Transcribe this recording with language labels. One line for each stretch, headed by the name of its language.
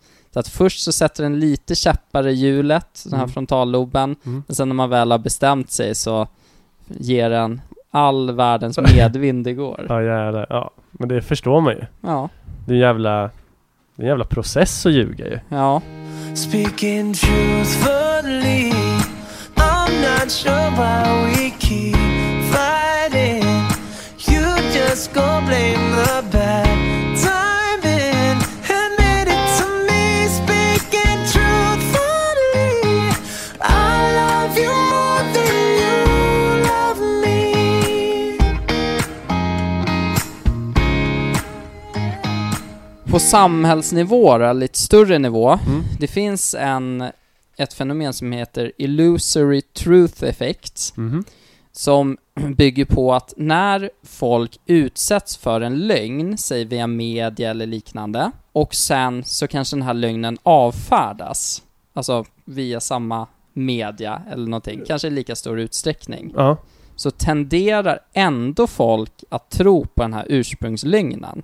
Swedish: Så att först så sätter den lite käppare hjulet, den här mm. frontalloben, mm. men sen när man väl har bestämt sig så ger den all världens medvind igår. Ja, jävlar. Ja, men det förstår man ju. Ja. Det är jävla... Det är en jävla process att ljuga ju. Ja.
English: Speaking truthfully, I'm not sure why we keep fighting. You just go blame the bad timing and made it to me. Speaking truthfully, I love you more than you love me.
Swedish: På samhällsnivå, lite större nivå, mm. det finns ett fenomen som heter illusory truth effect mm. som bygger på att när folk utsätts för en lögn, säg via media eller liknande, och sen så kanske den här lögnen avfärdas, alltså via samma media eller någonting, kanske i lika stor utsträckning, så tenderar ändå folk att tro på den här ursprungslögnen.